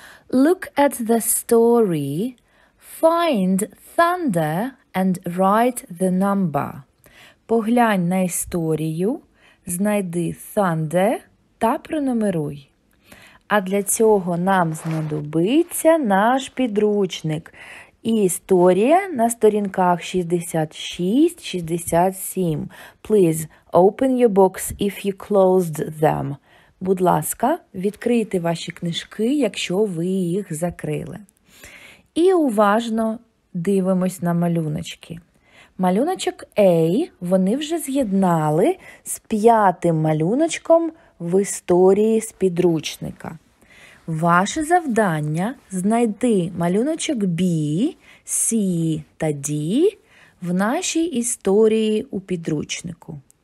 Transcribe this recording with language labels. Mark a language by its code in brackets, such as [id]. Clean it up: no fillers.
[en] Look at the story, find Thunder and write the number. [uk] Поглянь на історію, знайди Thunder та пронумеруй. А для цього нам знадобиться наш підручник. І історія на сторінках 66-67. [en] Please open your books if you closed them. [uk] Будь ласка, відкрийте ваші книжки, якщо ви їх закрили. І уважно дивимось на малюночки. Малюночок A вони вже з'єднали з п'ятим малюночком – в історії з підручника. Ваше завдання – знайти малюночок B, C та D в нашій історії у підручнику.